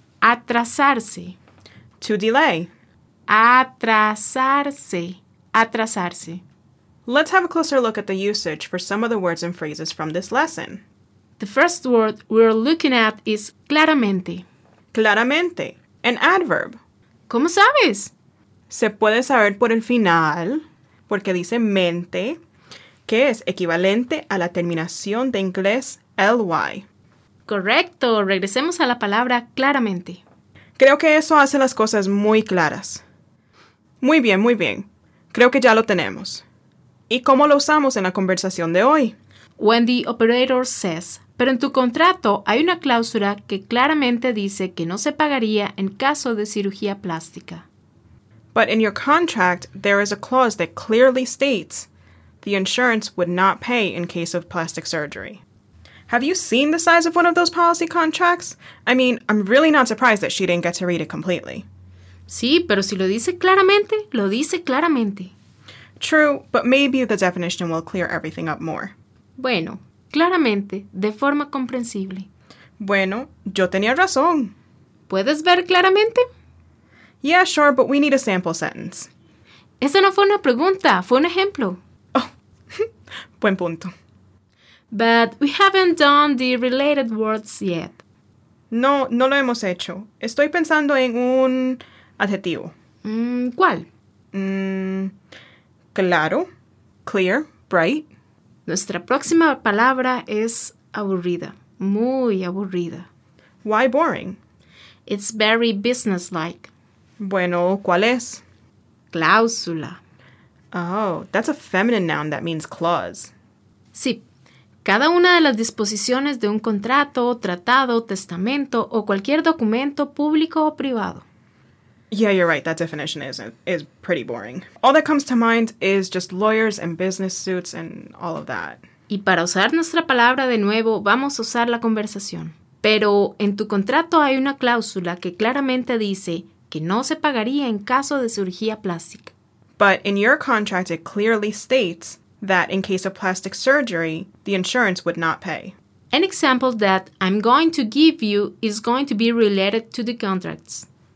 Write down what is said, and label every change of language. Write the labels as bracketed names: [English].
[Spanish] Atrasarse. [English] To delay. [Spanish] Atrasarse. Atrasarse. [English] Let's have a closer look at the usage for some of the words and phrases from this lesson. The first word we're looking at is claramente. Claramente, an adverb. [Spanish] ¿Cómo sabes? Se puede saber por el final, porque dice mente, que es equivalente a la terminación de inglés ly. Correcto, regresemos a la palabra claramente. Creo que eso hace las cosas muy claras. Muy bien, muy bien. Creo que ya lo tenemos. ¿Y cómo lo usamos en la conversación de hoy? [English] When the operator says, [Spanish] pero en tu contrato hay una cláusula que claramente dice que no se pagaría en caso de cirugía plástica. [English] But in your contract, there is a clause that clearly states the insurance would not pay in case of plastic surgery. Have you seen the size of one of those policy contracts? I mean, I'm really not surprised that she didn't get to read it completely. [Spanish] Sí, pero si lo dice claramente, lo dice claramente. [English] True, but maybe the definition will clear everything up more. [Spanish] Bueno, claramente, de forma comprensible. Bueno, yo tenía razón. ¿Puedes ver claramente? [English] Yeah, sure, but we need a sample sentence. [Spanish] Esa no fue una pregunta, fue un ejemplo. Oh, buen punto. [English] But we haven't done the related words yet. [Spanish] No, no lo hemos hecho. Estoy pensando en un adjetivo. ¿Cuál? [English] Claro, clear, bright. [Spanish] Nuestra próxima palabra es aburrida, muy aburrida. [English] Why boring? It's very businesslike. [Spanish] Bueno, ¿cuál es? Cláusula. [English] Oh, that's a feminine noun that means clause. [Spanish] Sí, cada una de las disposiciones de un contrato, tratado, testamento o cualquier documento público o privado. [English] Yeah, you're right. That definition is pretty boring. All that comes to mind is just lawyers and business suits and all of that. [Spanish] Y para usar nuestra palabra de nuevo, vamos a usar la conversación. Pero en tu contrato hay una cláusula que claramente dice que no se pagaría en caso de cirugía plástica. [English] But in your contract, it clearly states that in case of plastic surgery, the insurance would not pay. An example that I'm going to give you is going to be related to the contracts.